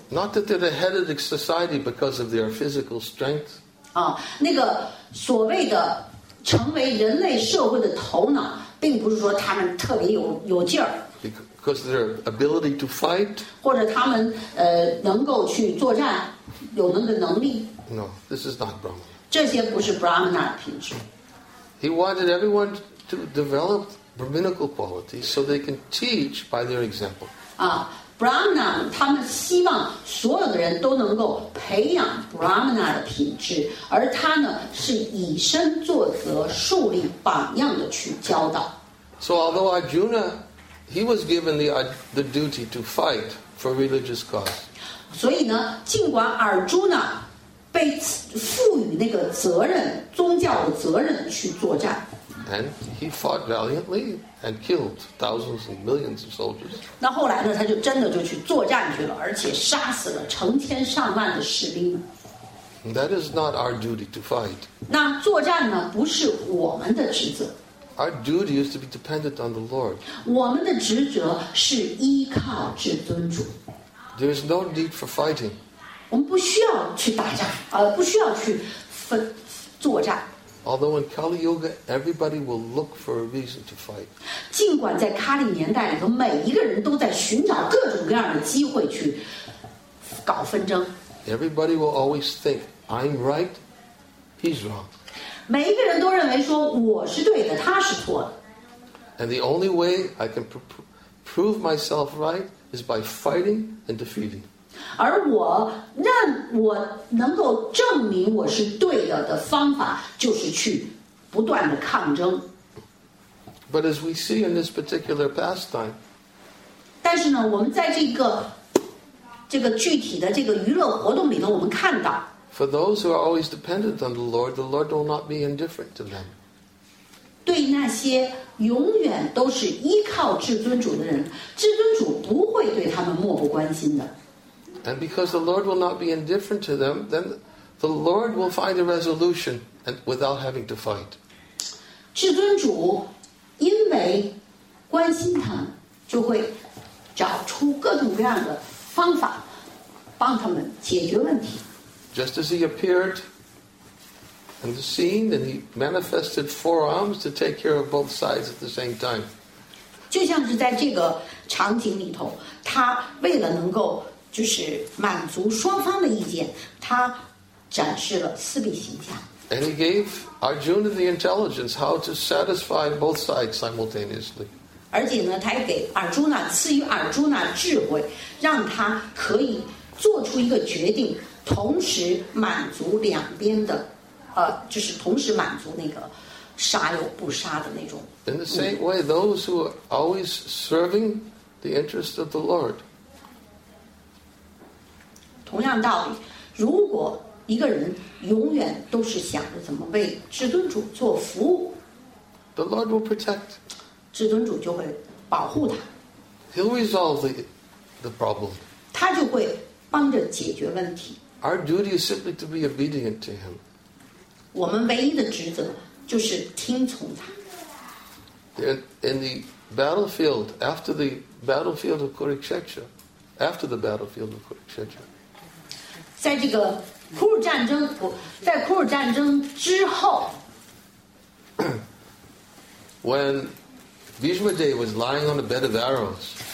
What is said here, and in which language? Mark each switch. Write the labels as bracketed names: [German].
[English] Not that they're the head of the society because of their physical strength. [Chinese] 啊，那个所谓的成为人类社会的头脑，并不是说他们特别有劲儿。 [English] Because their ability to fight. [Chinese] 或者他们能够去作战，有那个能力。 [English] No, this is not Brahmana. [Chinese] 这些不是 Brahmana 的品质。 [English] He wanted everyone. To develop brahminical qualities, so they can teach by their example. [Chinese] Brahmana, 他们希望所有的人都能够培养 Brahmana 的品质，而他呢是以身作则，树立榜样的去教导。 [English] So although Arjuna, he was given the duty to fight for religious cause. [Chinese] 所以呢，尽管 Arjuna 被赋予那个责任，宗教的责任去作战。 [English] And he fought valiantly and killed thousands and millions of soldiers. [Chinese] 那后来呢？他就真的就去作战去了，而且杀死了成千上万的士兵。 [English] That is not our duty to fight. [Chinese] 那作战呢？不是我们的职责。 [English] Our duty is to be dependent on the Lord. [Chinese] 我们的职责是依靠至尊主。 [English] There is no need for fighting. [Chinese] 我们不需要去打仗，不需要去作战。 [English] Although in Kali Yuga, everybody will look for a reason to fight. [Chinese] 尽管在卡里年代里头，每一个人都在寻找各种各样的机会去搞纷争。 [English] Everybody will always think I'm right, he's wrong. [Chinese] 每一个人都认为说我是对的，他是错的。 [English] And the only way I can prove myself right is by fighting and defeating. [Chinese] 而我让我能够证明我是对的的方法，就是去不断的抗争。 [English] But as we see in this particular pastime, [Chinese] 但是呢，我们在这个具体的这个娱乐活动里头，我们看到 [English] ，For those who are always dependent on the Lord will not be indifferent to them. [Chinese] 对那些永远都是依靠至尊主的人，至尊主不会对他们漠不关心的。 [English] And because the Lord will not be indifferent to them, then the Lord will find a resolution and without having to fight. [Chinese] 至尊主因为关心他们，就会找出各种各样的方法帮他们解决问题。 [English] Just as he appeared on the scene, and he manifested four arms to take care of both sides at the same time. [Chinese] 就像是在这个场景里头，他为了能够就是满足双方的意见，他展示了四臂形象。 [English] And he gave Arjuna the intelligence how to satisfy both sides simultaneously. [Chinese] 而且呢，他也给阿朱那赐予阿朱那智慧，让他可以做出一个决定，同时满足两边的，就是同时满足那个杀又不杀的那种。 [English] In the same way, those who are always serving the interest of the Lord. [Chinese] 同样道理，如果一个人永远都是想着怎么为至尊主做服务 [English] ，The Lord will protect. [Chinese] 至尊主就会保护他。 [English] He'll resolve the problem. [Chinese] 他就会帮着解决问题。 [English] Our duty is simply to be obedient to Him. [Chinese] 我们唯一的职责就是听从他。 [English] In the battlefield, after the battlefield of Kurukshetra, after the battlefield of Kurukshetra, [Chinese] 在库尔战争之后, [English] when Bhishma Dev was lying on a bed of arrows,